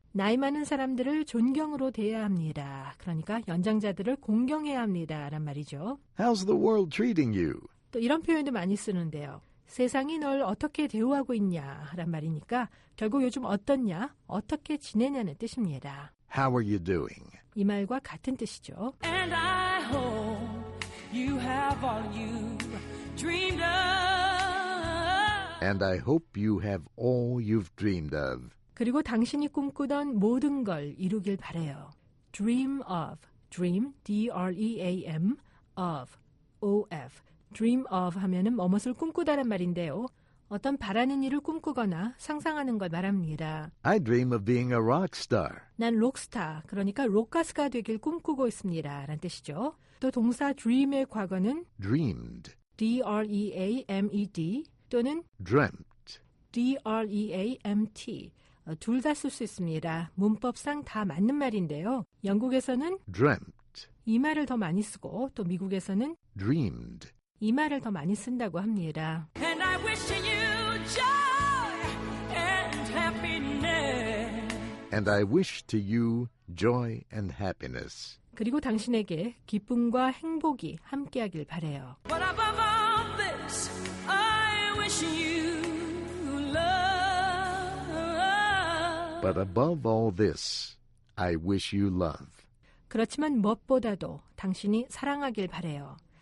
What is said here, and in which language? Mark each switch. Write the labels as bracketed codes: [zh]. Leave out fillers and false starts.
[ko] 나이 많은 사람들을 존경으로 대해야 합니다. 그러니까 연장자들을 공경해야 합니다. 란 말이죠. [en] How's the world treating you? [ko] 또 이런 표현도 많이 쓰는데요. 세상이 널 어떻게 대우하고 있냐 란 말이니까 결국 요즘 어떻냐, 어떻게 지내냐는 뜻입니다. [en] How are you doing? [ko] 이 말과 같은 뜻이죠. [en] And I hope you have all you dreamed of. And I hope you have all you've dreamed of. [ko] 그리고 당신이 꿈꾸던 모든 걸 이루길 바래요. [en] Dream of, dream, D-R-E-A-M, of, O-F. [ko] Dream of 하면은 무엇을 꿈꾸다란 말인데요. 어떤 바라는 일을 꿈꾸거나 상상하는 걸 말합니다. [en] I dream of being a rock star. [ko] 난 록스타, 그러니까 록가스가 되길 꿈꾸고 있습니다. 라는 뜻이죠. 또 동사 dream의 과거는 [en] dreamed. D-R-E-A-M-E-D 또는 dreamt. D-R-E-A-M-T. [ko] 둘 다 쓸 수 있습니다. 문법상 다 맞는 말인데요. 영국에서는 [en] dreamt [ko] 이 말을 더 많이 쓰고 또 미국에서는 [en] dreamed [ko] 이 말을 더 많이 쓴다고 합니다. [en] And I wish you joy and happiness. And I wish to you joy and happiness. [ko] 그리고 당신에게 기쁨과 행복이 함께하길 바래요. [en] But above all this, I wish you love. But above all this, I wish you love. [ko] 그렇지만 무엇보다도 당신이 사랑하길 바래요.